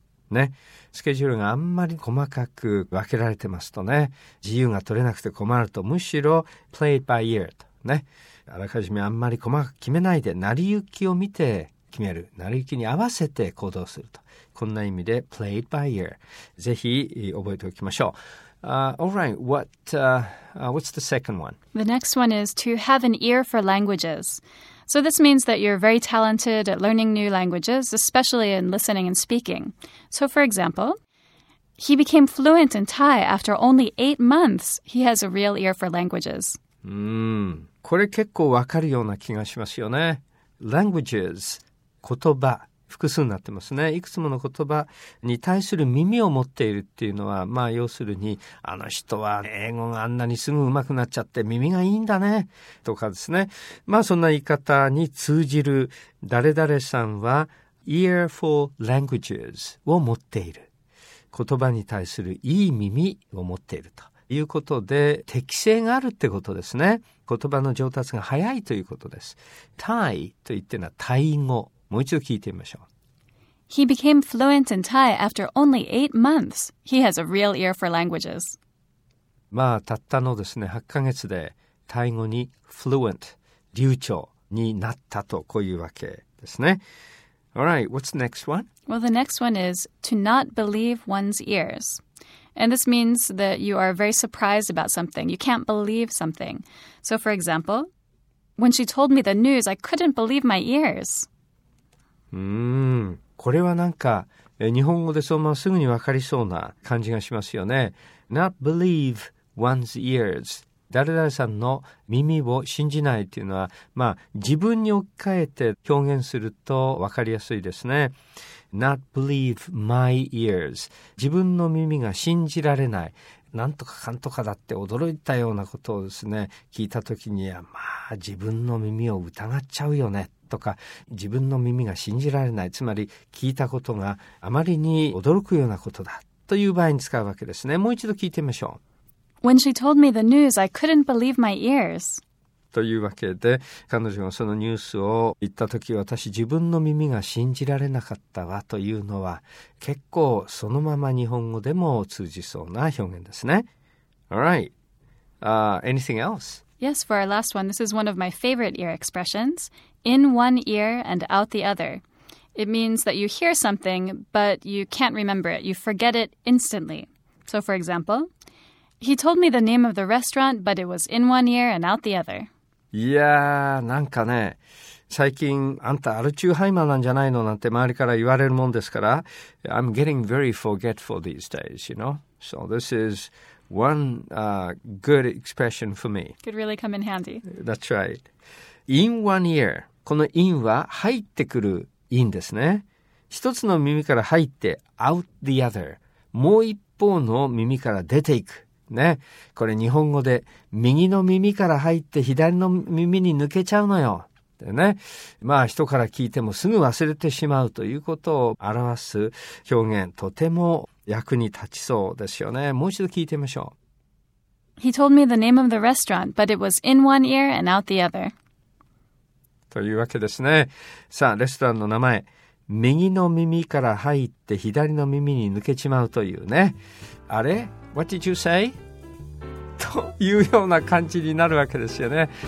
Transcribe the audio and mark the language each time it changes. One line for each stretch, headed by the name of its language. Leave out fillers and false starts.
Japanese: ね、スケジュールがあんまり細かく分けられてますとね、自由が取れなくて困ると、むしろ play it by ear とね、あらかじめあんまり細かく決めないで、成り行きを見て決める、成り行きに合わせて行動すると、こんな意味で play it by ear、 ぜひ覚えておきましょう。
English: What's the second one? The next one is to have an ear for languages. So this means that you're very talented at learning new languages, especially in listening and speaking. So for example, he became fluent in Thai after only 8 months. He has a real ear for languages.
Japanese: これ結構わかるような気がしますよね。Languages, 言葉。複数になってますね。いくつもの言葉に対する耳を持っているっていうのは、まあ要するに、あの人は英語があんなにすぐ上手くなっちゃって耳がいいんだねとかですね。まあそんな言い方に通じる、誰々さんは ear for languages を持っている、言葉に対するいい耳を持っているということで、適性があるってことですね。言葉の上達が早いということです。タイと言ってのはタイ語。もう一度聞いてみましょう。
English: He became fluent in Thai after only 8 months. He has a real ear for languages.
Japanese: まあたったのですね、8ヶ月でタイ語に fluent、 流暢になったと、こういうわけですね。
English: Alright, what's the next one? Well, the next one is to not believe one's ears. And this means that you are very surprised about something. You can't believe something. So for example, when she told me the news, I couldn't believe my ears.
Japanese: これはなんか日本語でそのまますぐに分かりそうな感じがしますよね。 Not believe one's ears、 誰々さんの耳を信じないというのは、まあ自分に置き換えて表現すると分かりやすいですね。 Not believe my ears、 自分の耳が信じられない、なんとかかんとかだって驚いたようなことをですね、聞いた時には、まあ自分の耳を疑っちゃうよねとか、自分の耳が信じられない、つまり聞いたことがあまりに驚くようなことだという場合に使うわけですね。もう一度聞いてみましょう。
English: When she told me the news, I couldn't believe my ears.
Japanese: というわけで、彼女がそのニュースを言った時、私自分の耳が信じられなかったわというのは、結構そのまま日本語でも通じそうな表現ですね。
English: Anything else? Yes, for our last one, this is one of my favorite ear expressionsIn one ear and out the other. It means that you hear something, but you can't remember it. You forget it instantly. So, for example, he told me the name of the restaurant, but it was in one ear and out the other.
Japanese: いやー、なんかね、最近あんたアルチューハイマーなんじゃないのなんて周りから言われるもんですから、
English: I'm getting very forgetful these days, you know? So this is one, good expression for me. Could really come in handy. That's right. In one ear.
Japanese: この in は入ってくる in ですね。一つの耳から入って out the other. もう一方の耳から出ていく。ね。これ日本語で右の耳から入って左の耳に抜けちゃうのよ。でね。まあ人から聞いてもすぐ忘れてしまうということを表す表現。とても役に立ちそうですよね。もう一度聞いてみましょう。 He told me the name of the restaurant, but it was in one ear and out the other. というわけですね。さあ、レストランの名前、右の耳から入って左の耳に抜けちまうというね。
English: あれ ?What did you say?
Japanese: というような感じになるわけですよね。